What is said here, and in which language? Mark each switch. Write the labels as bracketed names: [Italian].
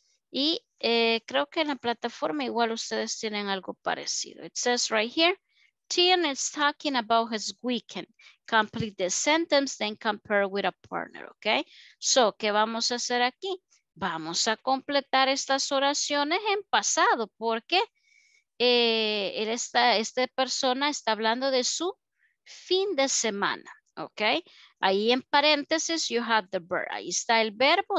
[Spanish] Y creo que en la plataforma igual ustedes tienen algo parecido. [English] It says right here, Tian is talking about his weekend. Complete the sentence, then compare with a partner, okay? [Spanish] So, ¿qué vamos a hacer aquí? Vamos a completar estas oraciones en pasado porque esta persona está hablando de su fin de semana, okay? Ahí en paréntesis, [English] you have the verb. [Spanish] Ahí está el verbo.